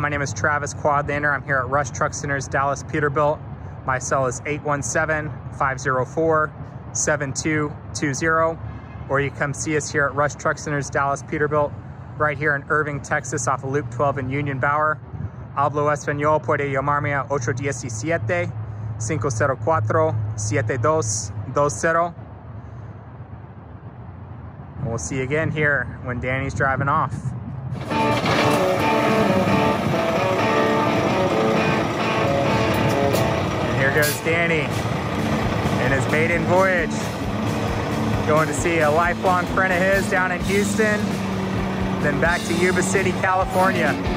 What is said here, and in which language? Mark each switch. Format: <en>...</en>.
<en>My name is Travis Quadlander. I'm here at Rush Truck Centers, Dallas Peterbilt. My cell is 817-504-7220. Or you come see us here at Rush Truck Centers, Dallas Peterbilt, right here in Irving, Texas, off of Loop 12 in Union Bower.</en> <es>Hablo español, puede llamarme a 817-504-7220.</es> <en>And we'll see you again here when Danny's driving off. And here goes Danny in his maiden voyage. Going to see a lifelong friend of his down in Houston. Then back to Yuba City, California.</en>